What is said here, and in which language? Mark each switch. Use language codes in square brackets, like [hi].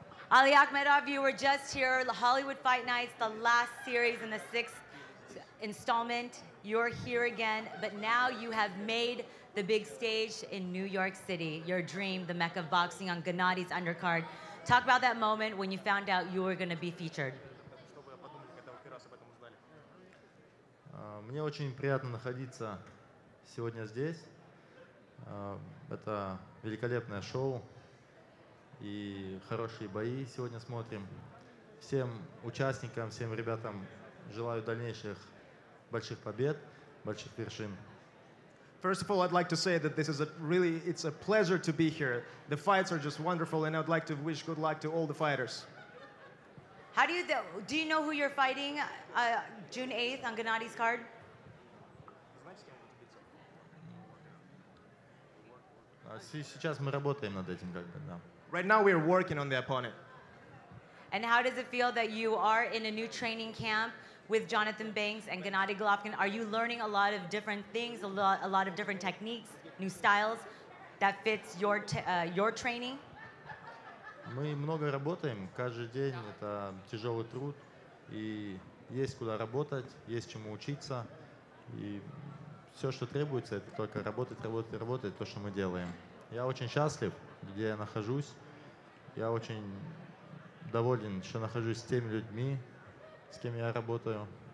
[en] Ali Akhmedov, you were just here, Hollywood Fight Nights, the last series in the sixth installment. You're here again, but now you have made the big stage in New York City, your dream, the mecca of boxing on Gennady's undercard. Talk about that moment when you found out you were going to be featured. [ru] Мне очень приятно находиться сегодня здесь. Это великолепное шоу и хорошие бои сегодня смотрим. Всем участникам, всем ребятам желаю дальнейших больших побед, больших вершин. [en] First of all, I'd like to say that this is it's a pleasure to be here. The fights are just wonderful, and I'd like to wish good luck to all the fighters. How do you know who you're fighting June 8th on Gennady's card? [ru] Сейчас мы работаем над этим, как бы, да. [en] Right now we are working on the opponent. And how does it feel that you are in a new training camp with Jonathan Banks and Gennady Golovkin? Are you learning a lot of different things, a lot of different techniques, new styles that fits your training? [ru] Мы много работаем, каждый день это тяжелый труд, и есть куда работать, есть чему учиться, и все, что требуется, это только работать, работать, работать, то, что мы делаем. Я очень счастлив, где я нахожусь. Я очень доволен, что нахожусь с теми людьми, с кем я работаю.